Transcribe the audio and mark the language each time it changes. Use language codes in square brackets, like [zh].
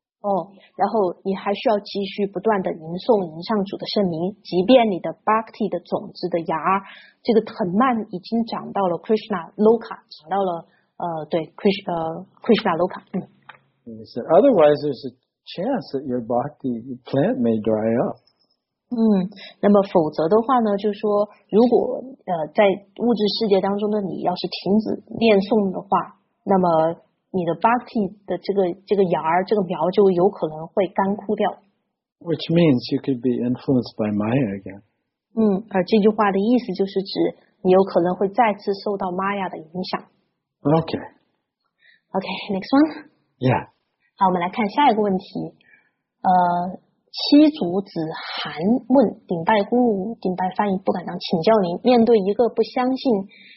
[zh] 然后你还需要继续不断的吟诵、吟唱主的圣名，即便你的 bhakti 的种子的芽这个藤蔓已经长到了 Krishna Loka， 长到了Krishna Loka。 [en] Otherwise, there's a chance that your bhakti plant may dry up. [zh] 那么否则的话呢，就是说，如果在物质世界当中的你要是停止念诵的话，那么你的 bhakti 的这个芽儿这个苗就有可能会干枯掉。 [en] Which means you could be influenced by Maya again. [zh] 而这句话的意思就是指你有可能会再次受到 Maya 的影响。 [en] Okay. Okay, next one. Yeah. [zh] 好，我们来看下一个问题。七祖子韩问顶拜姑，顶拜翻译不敢当，请教您，面对一个不相信。